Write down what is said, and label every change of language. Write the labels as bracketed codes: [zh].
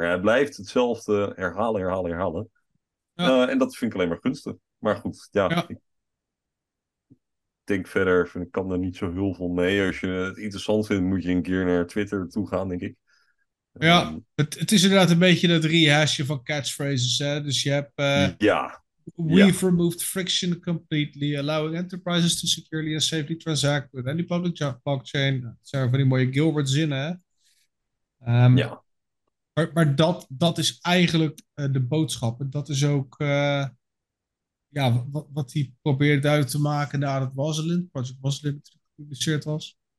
[nl] Hij blijft hetzelfde herhalen, herhalen, herhalen. En dat vind ik alleen maar gunstig. Maar goed, ja, Ja. ik denk verder, vind ik, kan er niet zo heel veel mee. Als je het interessant vindt, moet je een keer naar Twitter toe gaan, denk ik. Ja, het is inderdaad een beetje dat rehashje van catchphrases, hè? Dus je hebt [en] we've removed friction completely, allowing enterprises to securely and safely transact with any public blockchain. [nl] Dat zijn van die mooie Gilbert zinnen, hè? Maar dat is eigenlijk de boodschap. En dat is ook ja, wat hij probeert duidelijk te maken na dat Wasalind, Project Wasalind, gepubliceerd was.